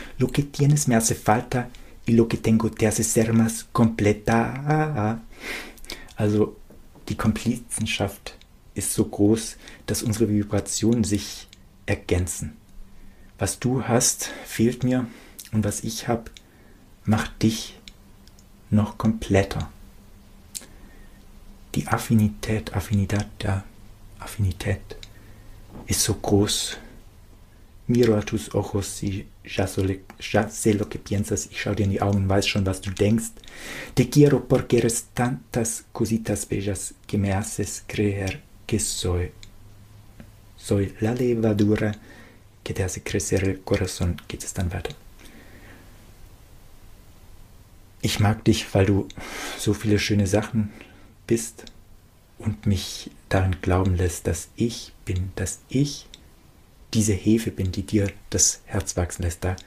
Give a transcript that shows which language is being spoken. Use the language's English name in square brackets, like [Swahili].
[Spanish] Lo que tienes me hace falta y lo que tengo te hace ser más completa. [German] Also die Komplizenschaft ist so groß, dass unsere Vibrationen sich ergänzen. Was du hast, fehlt mir und was ich habe, macht dich noch kompletter. Die Affinität ist so groß. [Spanish] Miro a tus ojos y ya sé lo que piensas. [German] Ich schaue dir in die Augen und weiß schon, was du denkst. [Spanish] Te quiero porque eres tantas cositas bellas que me haces creer que soy la levadura. [German] Geht der Sekretär Corazon, geht es dann weiter. Ich mag dich, weil du so viele schöne Sachen bist und mich daran glauben lässt, dass ich bin, dass ich diese Hefe bin, die dir das Herz wachsen lässt.